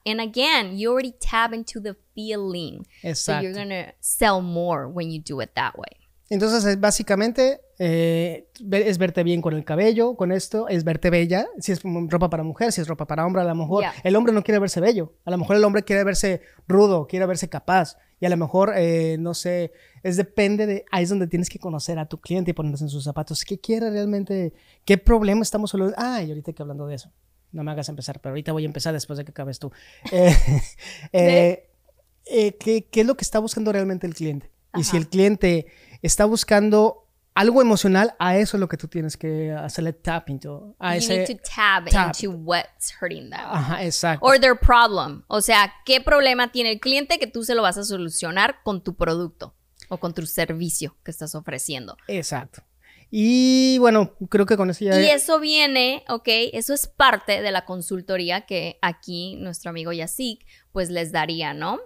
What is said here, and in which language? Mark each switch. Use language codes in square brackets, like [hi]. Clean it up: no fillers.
[en] And again, you already tap into the feeling. [es] Exacto. [en] So you're gonna sell more when you do it that way. [es] Entonces, básicamente, es verte bien con el cabello, con esto, es verte bella, si es ropa para mujer, si es ropa para hombre, a lo mejor el hombre no quiere verse bello, a lo mejor el hombre quiere verse rudo, quiere verse capaz, y a lo mejor, no sé, ahí es donde tienes que conocer a tu cliente y ponerse en sus zapatos, ¿qué quiere realmente? ¿Qué problema estamos solucionando? Ay, ahorita que hablando de eso, no me hagas empezar, pero ahorita voy a empezar después de que acabes tú. ¿Qué es lo que está buscando realmente el cliente? Ajá. Y si el cliente está buscando algo emocional, a eso es lo que tú tienes que hacerle tap into. [en] You need to tap into what's hurting them. [es] Ajá, exacto. [en] Or their problem. [es] O sea, ¿qué problema tiene el cliente que tú se lo vas a solucionar con tu producto o con tu servicio que estás ofreciendo? Exacto. Y bueno, creo que con eso ya... Y eso viene, ok, eso es parte de la consultoría que aquí nuestro amigo Yasik pues les daría, ¿no?